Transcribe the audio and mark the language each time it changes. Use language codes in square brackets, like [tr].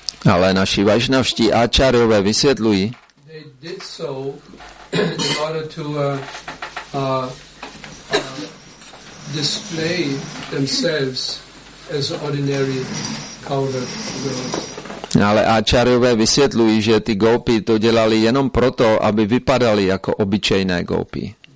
[cs] Ale naši vaishnavští áčárové vysvětlují. [en] They did so in order to display themselves as ordinary cowherd girls. [cs] Ale áčárové vysvětlují, že ty gopi to dělali jenom proto, aby vypadali jako obyčejné gopi.